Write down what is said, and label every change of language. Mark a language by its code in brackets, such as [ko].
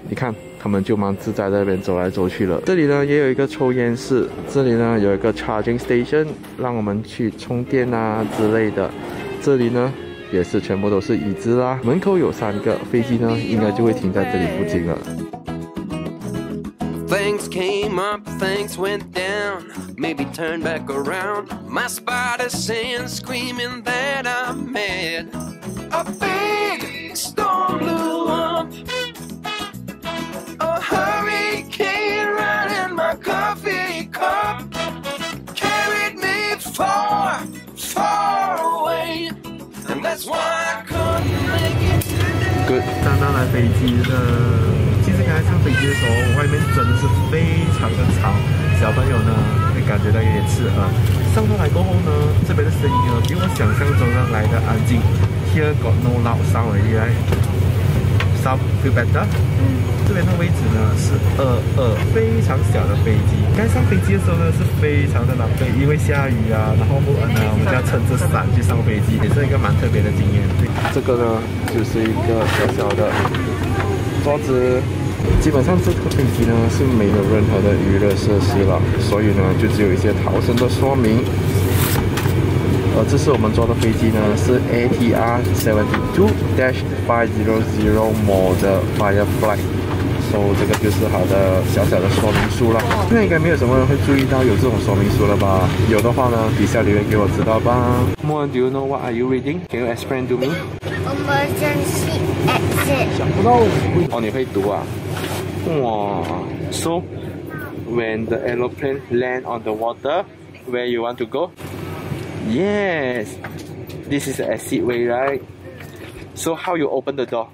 [zh] 你看他们就蛮自在在那边走来走去了。这里呢也有一个抽烟室，这里呢有一个 charging station 让我们去充电啊之类的，这里呢也是全部都是椅子啦，门口有三个，飞机呢应该就会停在这里附近了。 [en] Things came up, things went down, maybe turn back around. My spider sense screaming that I'm mad. A big storm blew up, a hurricane right in my coffee cup, carried me far, far away. [zh] Good， 刚刚来飞机的，其实刚才上飞机的时候，外面真的是非常的吵，小朋友呢会感觉到有点刺耳。上到来过后呢，这边的声音呢比我想象中的来的安静。 [en] Here got no loud sound already， sound feel better。 [zh] 这边的位置呢是22，非常小的飞机。刚上飞机的时候呢是非常的狼狈，因为下雨啊，然后不然呢我们就要撑着伞去上飞机，也是一个蛮特别的经验。这个呢就是一个小小的桌子，基本上这个飞机呢是没有任何的娱乐设施了，所以呢就只有一些逃生的说明。这是我们坐的飞机呢，是 ATR 72-500 model Firefly， 所以这个就是它的小小的说明书了。那应该没有什么人会注意到有这种说明书了吧？有的话呢，底下留言给我知道吧。 [en] Moon， do you know what are you reading？ Can you explain to me？ Emergency exit。 [zh] 想不到哦，你会读啊？哇 [en] ，So when the aeroplane land on the water， where you want to go？ Yes, this is the exit way, right? So how you open the door?